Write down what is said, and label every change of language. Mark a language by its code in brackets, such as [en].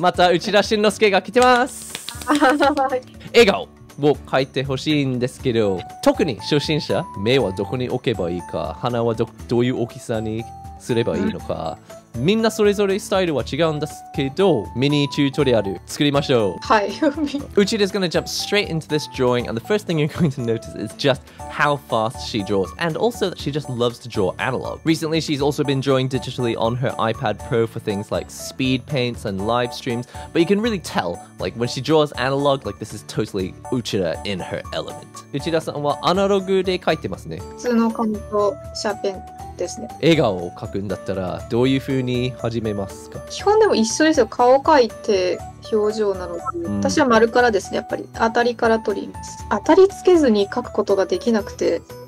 [ja] また Uchida Shinnosuke が来てます。笑顔。を書いてほしいんですけど、特に初心者、目はどこに置けばいいか、鼻はどういう大きさにすればいいのか、みんなそれぞれスタイルは違うんですけど、ミニチュートリアル作りましょう。はい。 [en] Uchida is going to jump straight into this drawing, and the first thing you're going to notice is just how fast she draws, and also that she just loves to draw analog. Recently, she's also been drawing digitally on her iPad Pro for things like speed paints and live streams, but you can really tell, like, when she draws analog, like, this is totally Uchida in her element. [ja] Uchida-san はアナログで描いてますね。普通の紙とシャーペン。ですね、笑顔を描くんだったらどういう風に始めますか？基本でも一緒ですよ。顔描いて表情なので、うん、私は丸からですね。やっぱり当たりから取ります。当たりつけずに描くことができなくて、